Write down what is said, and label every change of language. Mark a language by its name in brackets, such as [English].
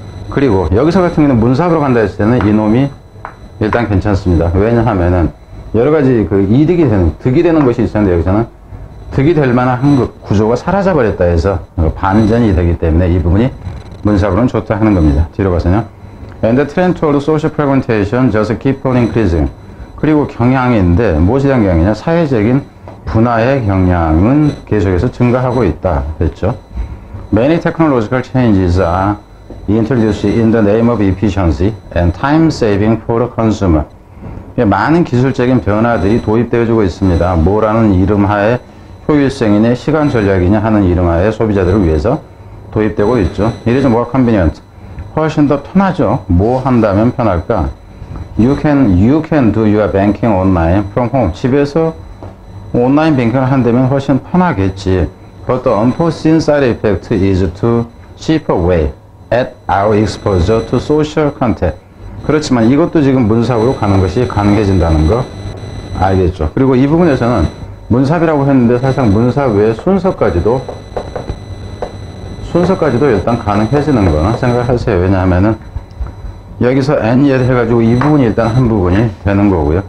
[Korean] 그리고 여기서 같은 경우는 문사로 간다 했을 때는 이놈이 일단 괜찮습니다. 왜냐하면은 여러 가지 그 이득이 되는, 득이 되는 것이 있었는데 여기서는 득이 될 만한 그 구조가 사라져버렸다 해서 반전이 되기 때문에 이 부분이 문사로는 좋다 하는 겁니다. 뒤로 가서는요. [English] And the trend toward social fragmentation just keep on increasing. [Korean] 그리고 경향인데, 무엇에 대한 경향이냐? 사회적인 분화의 경향은 계속해서 증가하고 있다. 그랬죠? [English] Many technological changes are introduced in the name of efficiency and time saving for consumer. [Korean] 많은 기술적인 변화들이 도입되어지고 있습니다. 뭐라는 이름 하에 효율성이냐, 시간 전략이냐 하는 이름 하에 소비자들을 위해서 도입되고 있죠. [English] It is more convenient. [Korean] 훨씬 더 편하죠. 뭐 한다면 편할까? [English] You can do your banking online from home. [Korean] 집에서 온라인 뱅킹을 한다면 훨씬 편하겠지. [English] But the unforeseen side effect is to chip away at our exposure to social content. [Korean] 그렇지만 이것도 지금 문사위로 가는 것이 가능해진다는 거 알겠죠. 그리고 이 부분에서는 문사위라고 했는데 사실상 문사위의 순서까지도 일단 가능해지는 거나 생각하세요. 왜냐하면은 여기서 and yet 해가지고 이 부분이 일단 한 부분이 되는 거고요.